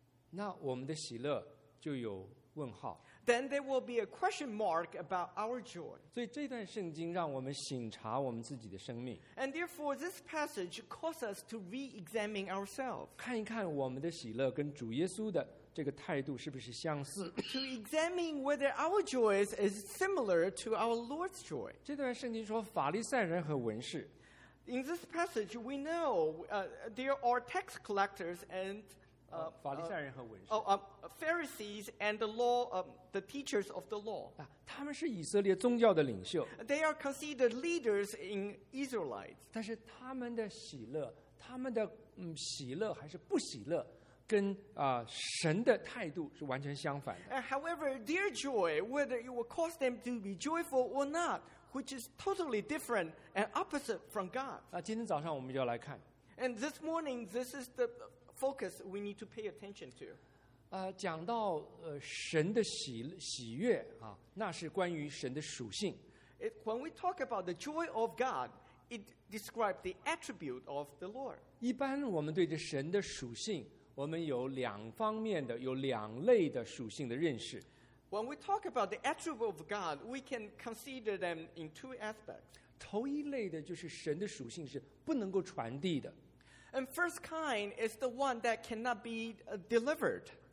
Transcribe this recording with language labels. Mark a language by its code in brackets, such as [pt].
[zh] 那我们的喜乐就有问号。 [en] Then there will be a question mark about our joy. [zh] 所以这段圣经让我们省察我们自己的生命。 [en] And therefore this passage causes us to re-examine ourselves. [zh] 看一看我们的喜乐跟主耶稣的这个态度是不是相似。 [en] To examine whether our joy is similar to our Lord's joy. [zh] 这段圣经说法利赛人和文士。 [en] In this passage we know there are tax collectors and Pharisees and the law, the teachers of the law. [zh] 他们是以色列宗教的领袖。 [en] They are considered leaders in Israelites. [zh] 但是他们的喜乐，他们的喜乐还是不喜乐，跟神的态度是完全相反的。 [en] However, their joy, whether it will cause them to be joyful or not, which is totally different and opposite from God. [zh] 今天早上我们就要来看。 [en] And this morning, this is the focus we need to pay attention to. [zh] 讲到神的喜悦那是关于神的属性。 [en] When we talk about the joy of God, it describes the attribute of the Lord. [zh] 一般我们对着神的属性，我们有两方面的，有两类的属性的认识。 [en] When we talk about the attribute of God, we can consider them in two aspects. [zh] 头一类的就是神的属性是不能够传递的。 [en] And first kind is the one that cannot be delivered.